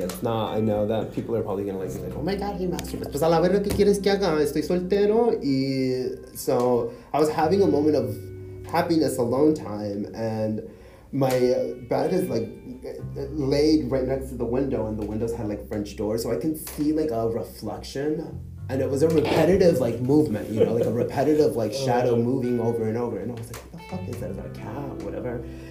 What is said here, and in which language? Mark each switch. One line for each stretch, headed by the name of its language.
English: It's not, I know that people are probably gonna like, oh my God, he masturbates.
Spanish: Pues a la verga que quieres que haga, estoy soltero.
English: Y so I was having a moment of happiness alone time, and my bed is like laid right next to the window, and the windows had like French doors, so I can see like a reflection, and it was a repetitive like movement, you know, like a repetitive like shadow moving over and over, and I was like, what the fuck is that? Is that a cat? Whatever.